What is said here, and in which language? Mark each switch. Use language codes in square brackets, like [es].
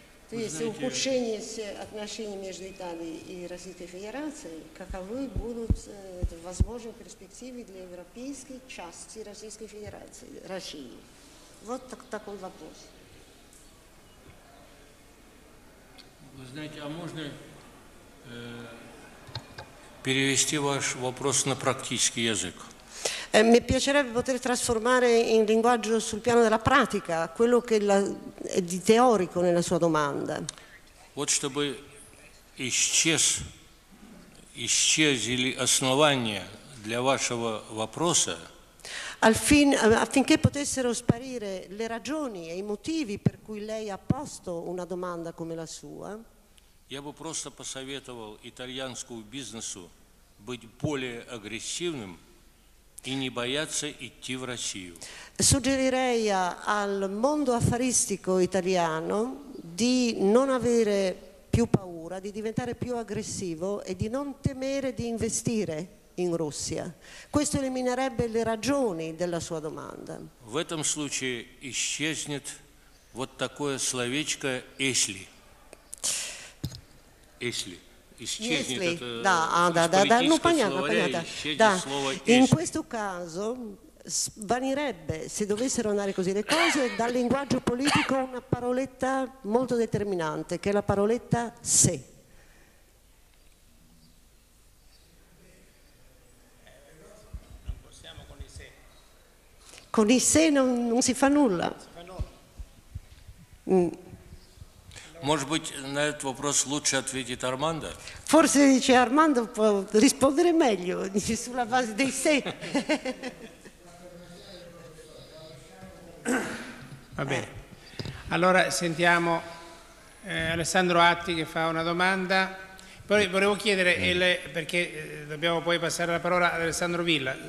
[ru] То есть знаете, ухудшение отношений между Италией и Российской Федерацией, каковы будут возможные перспективы для европейской части Российской Федерации, России? Вот такой вопрос. Вы знаете, а можно... перевести ваш вопрос на практический язык. [it] Mi piacerebbe poter trasformare in linguaggio sul piano della pratica quello che è di teorico nella sua domanda. [ru] Вот чтобы исчезли основания для вашего вопроса. [it] Affinché potessero sparire le ragioni e i motivi per cui lei ha posto una domanda come la sua. [ru] Я бы просто посоветовал итальянскому бизнесу быть более агрессивным и не бояться идти в Россию. [it] Suggerirei al mondo affaristico italiano di non avere più paura, di diventare più aggressivo e di non temere di investire in Russia. Questo eliminerebbe le ragioni della sua domanda. [ru] В этом случае исчезнет вот такое словечко «если». Если, да, ну понятно, понятно. Да. [it] In questo caso svanirebbe, se dovessero andare così le cose, dal linguaggio politico una paroletta molto determinante, che è la paroletta se. Non possiamo con i se. Con i se non si fa nulla. [ru] Может быть, на этот вопрос лучше ответит Армандо? [it] Forse dice Armando può rispondere meglio sulla base dei sé. Va bene. Allora sentiamo Alessandro Atti che fa una domanda. Poi volevo chiedere perché dobbiamo poi passare la parola ad Alessandro Villa.